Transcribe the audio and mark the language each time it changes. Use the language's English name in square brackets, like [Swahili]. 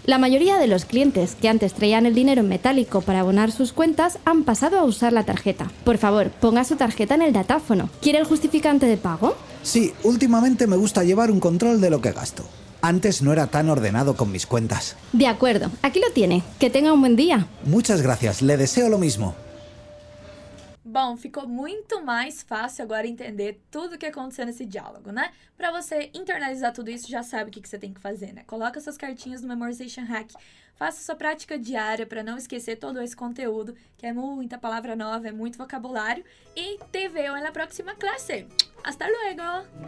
[Spanish] La mayoría de los clientes que antes traían el dinero en metálico para abonar sus cuentas han pasado a usar la tarjeta. Por favor, ponga su tarjeta en el datáfono. ¿Quiere el justificante de pago? Sí, últimamente me gusta llevar un control de lo que gasto. Antes no era tan ordenado con mis cuentas. De acuerdo, aquí lo tiene. Que tenga un buen día. Muchas gracias, le deseo lo mismo. [Portuguese] Bom, ficou muito mais fácil agora entender tudo o que aconteceu nesse diálogo, né? Para você internalizar tudo isso, já sabe o que você tem que fazer, né? Coloca suas cartinhas no Memorization Hack. Faça sua prática diária para não esquecer todo esse conteúdo, que é muita palavra nova, é muito vocabulário. [Spanish] E te veo en la próxima clase. Hasta luego!